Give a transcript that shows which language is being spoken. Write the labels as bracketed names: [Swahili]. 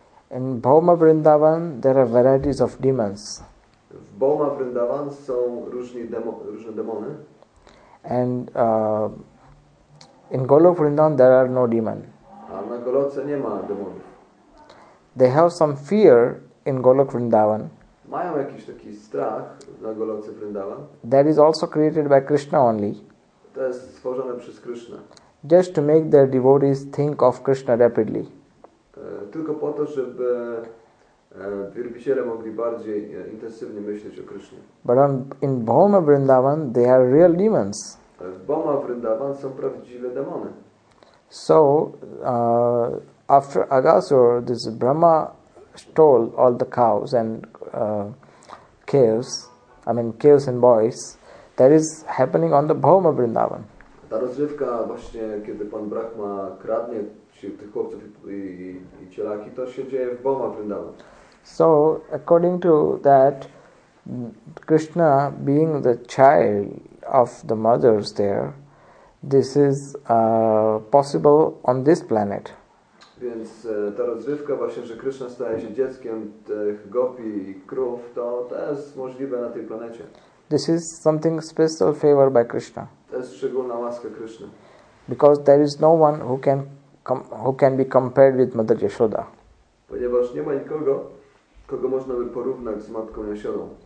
[English] In Bhauma Vrindavan there are varieties of demons. [Polish] W Bhauma Vrindavan są różne demony. [English] And in Golok Vrindavan there are no demons. [Polish] A na Goloce nie ma demonów. [English] They have some fear in Golok Vrindavan. [Polish] Mają jakiś taki strach na Goloce Vrindavan. [English] That is also created by Krishna only. [Polish] To jest stworzone przez Krishna. [English] Just to make their devotees think of Krishna rapidly. [Polish] Tylko po to, żeby wielbiciele mogli bardziej intensywnie myśleć o Krishna. [English] But in Bhauma Vrindavan, they are real demons. [Polish] W Bhauma Vrindavan są prawdziwe demony. [English] So, after Agasur, this Brahma stole all the cows and calves and boys, that is happening on the Bhauma Vrindavan. [Polish] Ta rozrywka właśnie, kiedy pan Brahma kradnie tych chłopców i cielaki, to się dzieje w Bhauma Vrindavan. [English] So, according to that, Krishna being the child of the mothers there, this is possible on this planet. [Polish] Więc ta rozrywka właśnie, że Krishna staje się dzieckiem tych gopi i krów, to jest możliwe na tej planecie. [English] This is something special favor by Krishna. [Polish] To jest szczególna łaska Krishna. [English] Because there is no one who can be compared with Mother Yashoda. [Polish] Ponieważ nie ma nikogo, kogo można by porównać z Matką Yashodą.